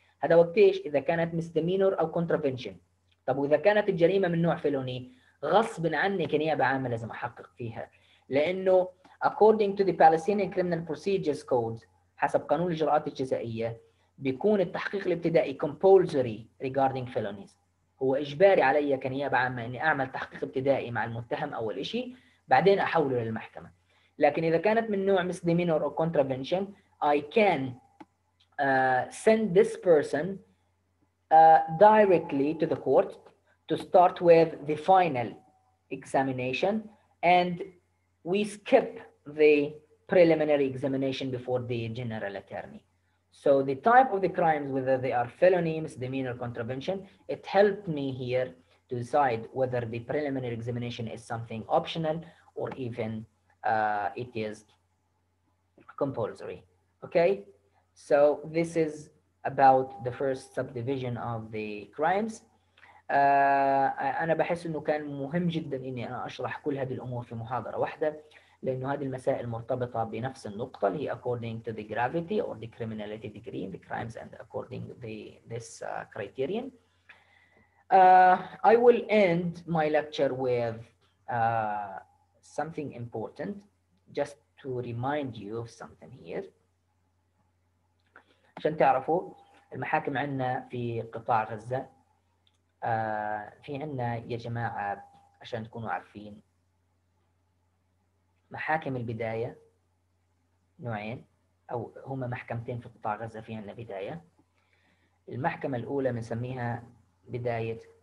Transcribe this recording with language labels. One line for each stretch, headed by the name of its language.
Arabic: هذا وقت ايش؟ اذا كانت مستمينور او كونترافينشن. طب واذا كانت الجريمه من نوع فيلوني, غصب عني كنيابه عامه لازم احقق فيها, لانه
English: according to the Palestinian criminal procedures code,
Arabic: حسب قانون الاجراءات الجزائيه, بيكون التحقيق الابتدائي compulsory regarding felonies, هو اجباري علي كنيابه عامه اني اعمل تحقيق ابتدائي مع المتهم اول شيء, بعدين احوله للمحكمه. لكن إذا كانت من نوع
English: misdemeanor or contravention, I can send this person directly to the court to start with the final examination, and we skip the preliminary examination before the general attorney. So the type of the crimes, whether they are felony, misdemeanor, contravention, it helped me here to decide whether the preliminary examination is something optional or even it is compulsory. Okay, so this is about the first subdivision of the crimes.
Arabic: أنا بحس إنه كان مهم جدا إني أنا أشرح كل هذه الأمور في محاضرة واحدة لأنه هذه المسائل مرتبطة بنفس النقطة هي
English: according to the gravity or the criminality degree in the crimes and according the this criterion. I will end my lecture with something important, just to remind you of something here.
Arabic: عشان تعرفوا المحاكم عندنا في قطاع غزة في عندنا يا جماعة عشان تكونوا عارفين محاكم البداية نوعين أو هما محكمتين في قطاع غزة في عندنا بداية المحكمة الأولى بنسميها بداية